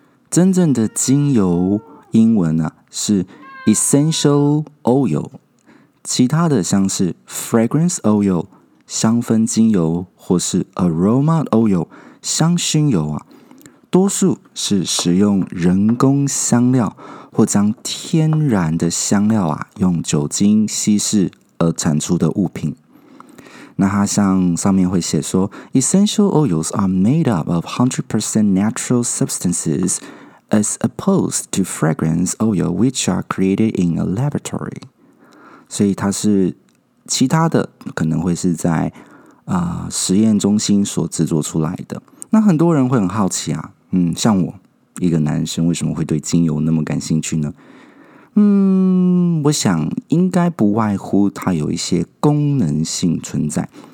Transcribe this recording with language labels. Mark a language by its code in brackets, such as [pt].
[zh] 真正的精油英文啊是 essential oil， 其他的像是 fragrance oil 香氛精油，或是 aroma oil 香薰油啊，多数是使用人工香料，或将天然的香料啊用酒精稀释而产出的物品。那它像上面会写说 [en] essential oils are made up of 100% natural substancesAs opposed to fragrance oil, which are created in a laboratory. [zh] 所以它是其他的，可能会是在实验中心所制作出来的。那很多人会很好奇啊，像我一个男生为什么会对精油那么感兴趣呢？我想应该不外乎它有一些功能性存在。